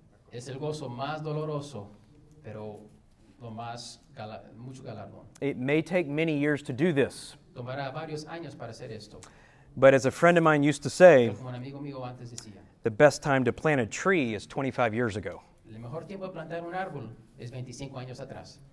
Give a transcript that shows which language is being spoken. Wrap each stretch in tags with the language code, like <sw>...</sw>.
<es>Es el gozo más doloroso, pero lo más mucho galardón.</es> <en>It may take many years to do this.</en> <es>Tomará varios años para hacer esto.</es> <en>But as a friend of mine used to say,</en> <es>como un amigo mío antes decía,</es> <en>the best time to plant a tree is 25 years ago.</en> <es>El mejor tiempo de plantar un árbol es 25 años atrás.</es>